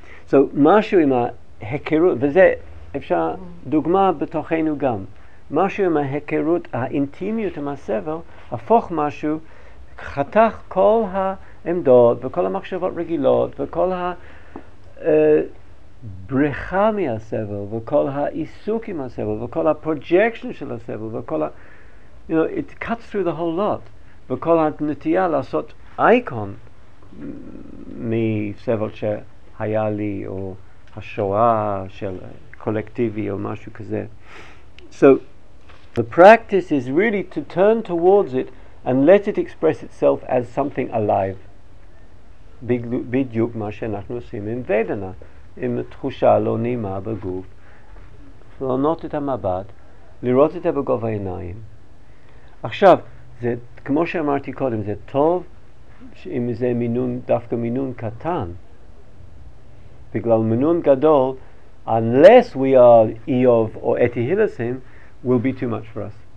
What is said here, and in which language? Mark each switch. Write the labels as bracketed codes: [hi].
[he] So, משהו עם ההיכרות, וזה אפשר דוגמה בתוכנו גם, משהו עם ההיכרות, האינטימיות עם הסבל, הפוך משהו, חתך כל העמדות וכל המחשבות רגילות וכל הבריחה מהסבל וכל העיסוק עם הסבל וכל הפרוג'קשן של הסבל וכל ה... [en] You know, it cuts through the whole lot. [he] וכל הנטייה לעשות אייקון מסבל שהיה לי או השואה של קולקטיבי או משהו כזה. [en] So, the practice is really to turn towards it and let it express itself as something alive. [he] בדיוק מה שאנחנו עושים עם ודנה, עם תחושה לא נעימה בגוף, לענות את המבט, לראות את זה בגובה העיניים. עכשיו, זה, כמו שאמרתי קודם, זה טוב אם זה מינון, דווקא מינון קטן. בגלל מינון גדול, [en] unless we are Eov or Eti Hillesim, will be too much for us.